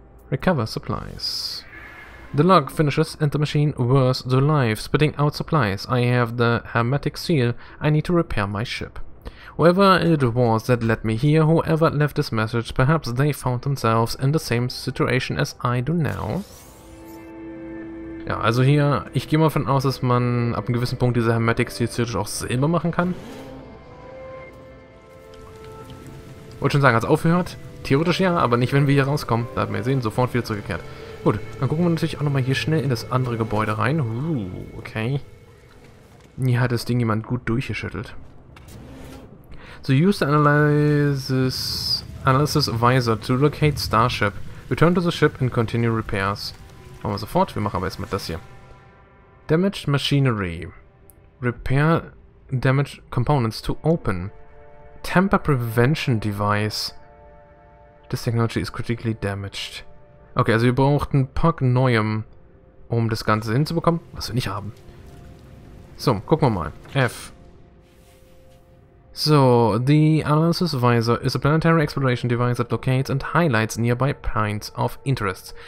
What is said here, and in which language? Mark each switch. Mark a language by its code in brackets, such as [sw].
[en] Recover supplies. The log finishes and the machine wears the life, spitting out supplies. I have the hermetic seal. I need to repair my ship. Whoever it was that led me here, whoever left this message, perhaps they found themselves in the same situation as I do now. [de] Ja, also hier, ich gehe mal davon aus, dass man ab einem gewissen Punkt diese Hermetic Seal theoretisch auch selber machen kann. Wollte schon sagen, hat es aufgehört? Theoretisch ja, aber nicht, wenn wir hier rauskommen. Da hat man ja sehen, sofort wieder zurückgekehrt. Gut, dann gucken wir natürlich auch nochmal hier schnell in das andere Gebäude rein. Okay. Hier hat das Ding jemand gut durchgeschüttelt. [en] So, use the analysis visor to locate Starship. Return to the ship and continue repairs. [de] Machen wir sofort, wir machen aber jetzt mal das hier. [en] Damaged machinery. Repair damaged components to open. Tamper prevention device. This technology is critically damaged. [de] Okay, also wir brauchten ein Pack Neuem, um das Ganze hinzubekommen, was wir nicht haben. So, gucken wir mal. F. [en] So, the analysis visor is a planetary exploration device that locates and highlights nearby points of interest.